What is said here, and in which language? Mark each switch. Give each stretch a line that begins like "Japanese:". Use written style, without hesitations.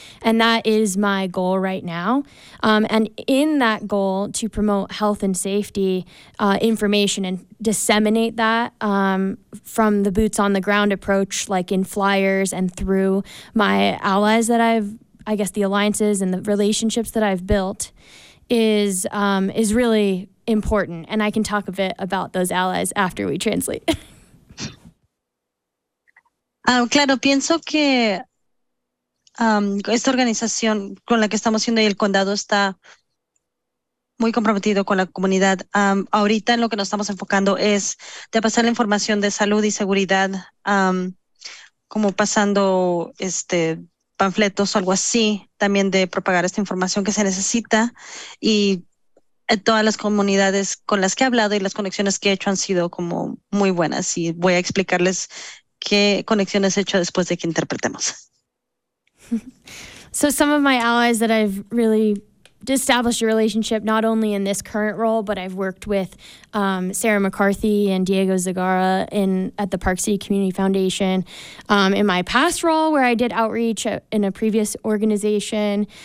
English: And that is my goal right now. And in that goal to promote health and safety information and disseminate that from the boots on the ground approach, like in flyers and through my allies that the alliances and the relationships that I've built is really important. And I can talk a bit about those allies after we translate.
Spanish: Claro, pienso que esta organización con la que estamos haciendo y el condado está muy comprometido con la comunidad. Ahorita en lo que nos estamos enfocando es de pasar la información de salud y seguridad, como pasando panfletos o algo así, también de propagar esta información que se necesita. Y todas las comunidades con las que he hablado y las conexiones que he hecho han sido como muy buenas y voy a explicarles qué conexiones he hecho después de que interpretemos.
English: So some of my allies that I've really established a relationship not only in this current role, but I've worked with Sarah McCarthy and Diego Zagara in at the Park City Community Foundation in my past role where I did outreach in a previous organization.